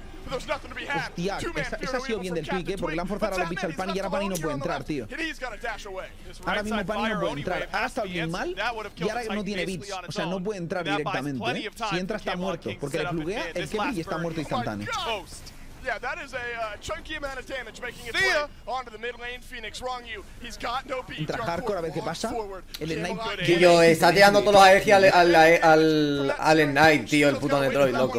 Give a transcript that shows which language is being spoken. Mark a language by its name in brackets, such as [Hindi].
[Spanish] Hostia, esa ha sido bien del pique, porque le han forzado a la picha al Pani y ahora Pani no puede entrar, tío. Ahora mismo Pani no puede entrar. Ha gastado bien mal y ahora no tiene bits. O sea, no puede entrar directamente, ¿eh? Si entra, está muerto. Porque le fluguea el Kevin y está muerto instantáneo. [English] Yeah, that is a chunky amount of damage making its way onto the mid lane. Phoenix, wrong you. He's got no beat. [Spanish] Entra hardcore a ver qué pasa. El Ignite. Tío, está tirando todos los aegis al Ignite, tío. El puto Netroid, loco.